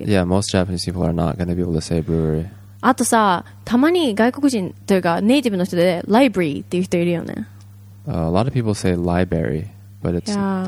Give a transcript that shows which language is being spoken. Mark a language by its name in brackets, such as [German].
[English] Yeah, most Japanese people are not going to be able to say brewery. [Japanese] あとさ、たまに外国人というかネイティブの人で library っていう人いるよね。 [English] A lot of people say library, but it's, yeah.